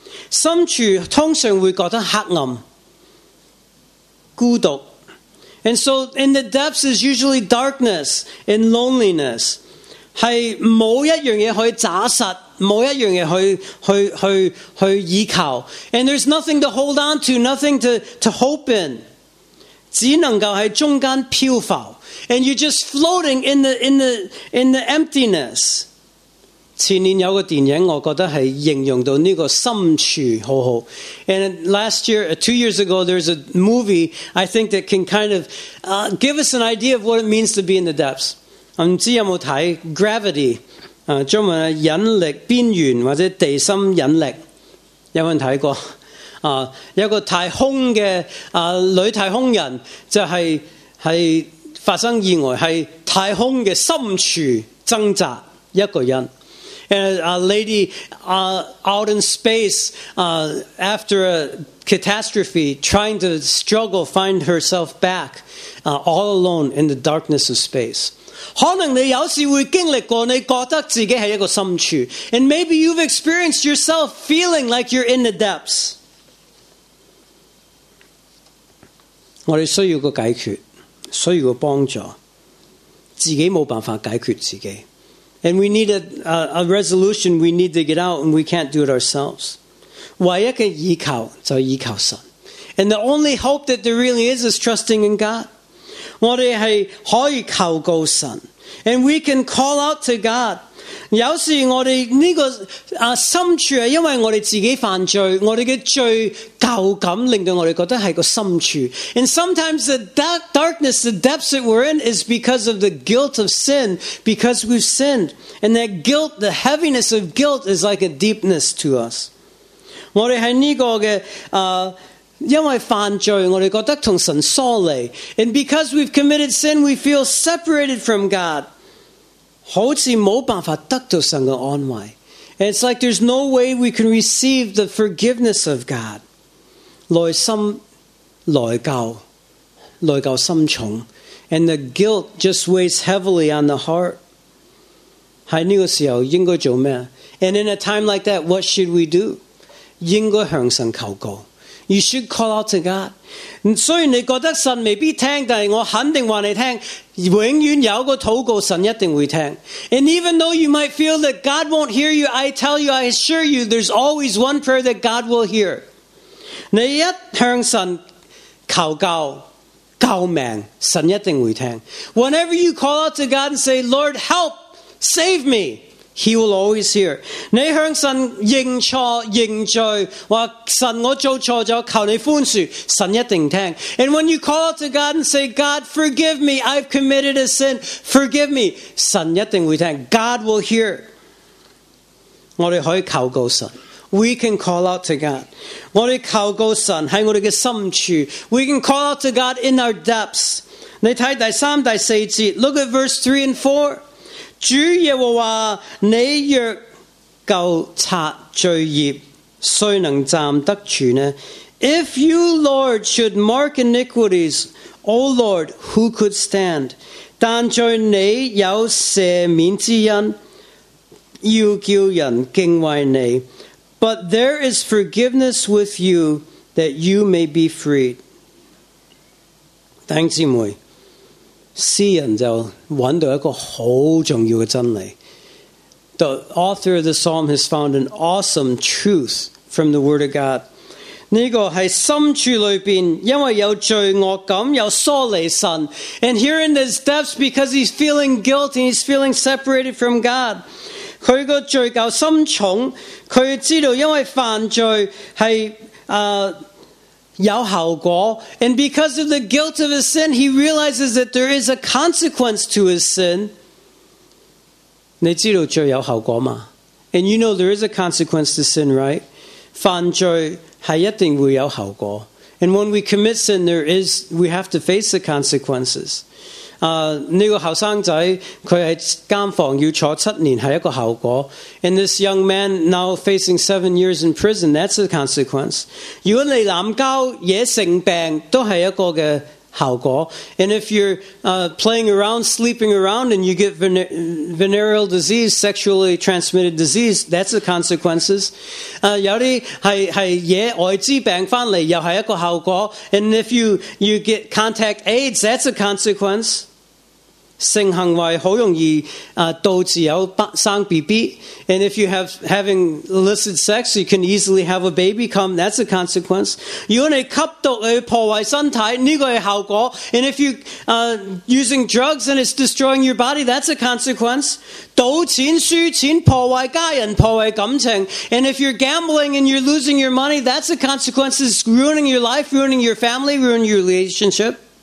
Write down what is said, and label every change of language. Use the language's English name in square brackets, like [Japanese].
[Cantonese] 深处通常会觉得黑暗，孤独。 [English] And so in the depths is usually darkness and loneliness. [Cantonese] 是没一样东西可以抓实，没一样东西去依靠。 [English] And there's nothing to hold on to, nothing to hope in. [Cantonese] 只能够在中间漂浮。 [English] And you're just floating in the emptiness. [Cantonese] 前年有个电影，我觉得是形容到这个深处好好。 [English] And last year, two years ago, there's a movie I think that can kind of give us an idea of what it means to be in the depths. [Cantonese] 不知道有没有看 Gravity， 中文引力边缘或者地心引力，有没有看过？有个太空的女太空人，就是在发生意外，是太空的深处挣扎一个人。 [English] And a lady out in space after a catastrophe trying to struggle find herself back all alone in the darkness of space. [Cantonese] 可能你有时会经历过，你觉得自己是一个深处。 [English] And maybe you've experienced yourself feeling like you're in the depths. [Cantonese] 我们需要个解决，需要个帮助，自己没办法解决自己。 [English] And we need a resolution, we need to get out, and we can't do it ourselves. [Cantonese] 唯一的依靠就是依靠神。 [English] And the only hope that there really is trusting in God. [Cantonese] 我们是可以靠告神。 [English] And we can call out to God. [Cantonese] 有时我们这个深处，因为我们自己犯罪，我们的罪疚感令到我们觉得是个深处。 [English] And sometimes the darkness, the depths that we're in is because of the guilt of sin, because we've sinned. And that guilt, the heaviness of guilt is like a deepness to us. [Cantonese] 我们是这个的因为犯罪，我们觉得同神疏离。 [English] And because we've committed sin, we feel separated from God. [Cantonese] 好似没办法得到神的安慰。 [English] And it's like there's no way we can receive the forgiveness of God. [Cantonese] 内心内疚，内疚深重。 [English] And the guilt just weighs heavily on the heart. [Cantonese] 在这个时候应该做什么？ [English] And in a time like that, what should we do? [Cantonese] 应该向神求告。 [English] You should call out to God. [Cantonese] 虽然你觉得神未必听，但我肯定话你听，永远有个祷告，神一定会听。 [English] And even though you might feel that God won't hear you, I tell you, I assure you, there's always one prayer that God will hear. [Cantonese] 你一向神求告，救命，神一定会听。 [English] Whenever you call out to God and say, Lord, help, save me, He will always hear. [Cantonese] 你向神认错认罪，话神我做错咗，求你宽恕，神一定听。 [English] And when you call out to God and say, God, forgive me, I've committed a sin, forgive me, [Cantonese] 神一定会听。 [English] God will hear. [Cantonese] 我哋可以求告神。 [English] We can call out to God. [Cantonese] 我哋求告神喺我哋嘅心处。 [English] We can call out to God in our depths. [Cantonese] 你睇第三第四节 ， [English] look at verse 3 and 4。 [Cantonese] 主耶和华，你若够察罪孽，虽能暂得存呢 [English] ？If you, Lord, should mark iniquities, O Lord, who could stand? [Cantonese] 但在你有赦免之恩，要叫人敬畏你。 [English] But there is forgiveness with you that you may be freed. [Cantonese] 弟兄姊妹，诗人就找到一个很重要的真理。 [English] The author of the psalm has found an awesome truth from the word of God. [Cantonese] 这个是深处里面因为有罪恶感有疏离神。 [English] And here in his depths, because he's feeling guilty, he's feeling separated from God. [Cantonese] 他的罪疚深重，他知道因为犯罪是有后果。 [English] And because of the guilt of his sin, he realizes that there is a consequence to his sin. [Cantonese] 你知道罪有后果吗？ [English] And you know there is a consequence to sin, right? [Cantonese] 犯罪是一定会有后果。 [English] And when we commit sin, there is, we have to face the consequences. [Cantonese] 这个后生仔他在监房要坐七年是一个后果。 [English] And this young man now facing 7 years in prison, that's a consequence. [Cantonese] 如果你滥交惹成病都是一个的后果。 [English] And if you're playing around, sleeping around, and you get venereal disease, sexually transmitted disease, that's the consequences. [Cantonese] 有些是惹艾滋病回来又是一个后果。 [English] And if you get contact AIDS, that's a consequence. [Cantonese] 性行为很容易导致有生 BB, [English] and if you have having illicit sex, you can easily have a baby come. That's a consequence. [Cantonese] 如果你吸毒去破坏身体，这个是后果。 [English] And if you using drugs and it's destroying your body, that's a consequence. [Cantonese] 赌钱、输钱、破坏家人、破坏感情。 [English] And if you're gambling and you're losing your money, that's a consequence. It's ruining your life, ruining your family, ruining your relationship.